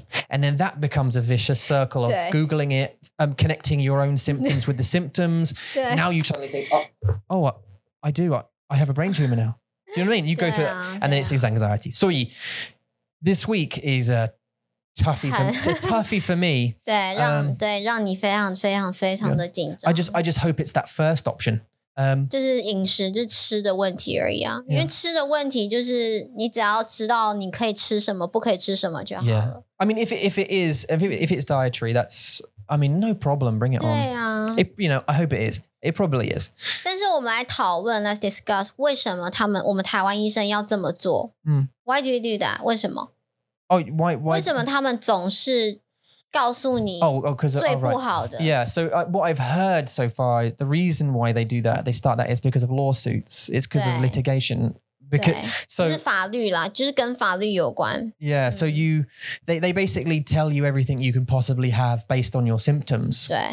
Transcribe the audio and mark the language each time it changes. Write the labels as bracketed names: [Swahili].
[English] And then that becomes a vicious circle of Googling it, connecting your own symptoms with the symptoms. Now you suddenly think, oh, I do. I have a brain tumor now. Do you know what I mean? You go through it and then it's his anxiety. So this week is a toughie for me. [Chinese] 对让你非常非常非常的紧张。 [English] I just hope it's that first option. [Chinese] 就是饮食就吃的问题而已啊。因为吃的问题就是你只要知道你可以吃什么不可以吃什么就好了。 [English] I mean, if it's dietary, no problem. Bring it on. Yeah. I hope it is. It probably is. [Chinese] 但是我们来讨论 [English] let's discuss [Chinese] 为什么我们台湾医生要这么做。 [English] Why do you do that? [Chinese] 为什么？ [English] Oh, why? [Chinese] 为什么他们总是告诉你？ [English] Yeah. So what I've heard so far, the reason why they do that, they start that is because of lawsuits. It's because of litigation. Yeah, so they basically tell you everything you can possibly have based on your symptoms.